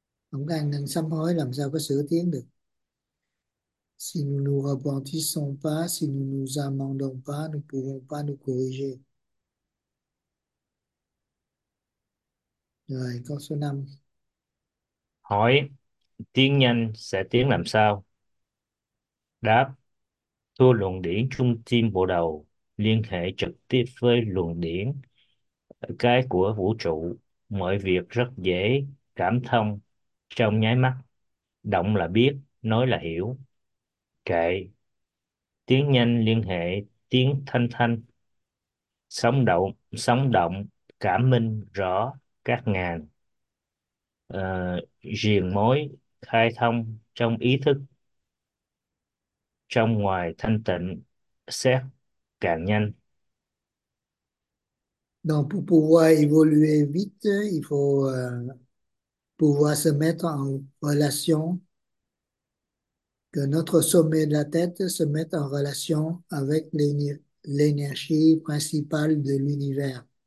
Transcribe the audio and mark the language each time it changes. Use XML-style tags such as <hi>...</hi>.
<vi>Donc, ăn năn sám hối làm sao có sửa tiến được?</vi> <fr>Si nous ne nous repentissons pas, si nous ne nous amendons pas, nous ne pouvons pas nous corriger.</fr> <vi>Rồi, con số 5. Hỏi: Tiến nhanh sẽ tiến làm sao? Đáp: Thưa, luồng điển trung tâm bộ đầu liên hệ trực tiếp với luồng điển cái của vũ trụ, mọi việc rất dễ cảm thông trong nháy mắt. Động là biết, nói là hiểu. Kệ: Tiến nhanh liên hệ tiếng thanh thanh, sống động cảm minh rõ các ngàn riềng mối khai thông trong ý thức, trong ngoài thanh tịnh xét càng nhanh.</vi> <fr>Donc, pour pouvoir évoluer vite, il faut pouvoir se mettre en relation, que notre sommet de la tête se mette en relation avec l'énergie principale de l'univers.</fr>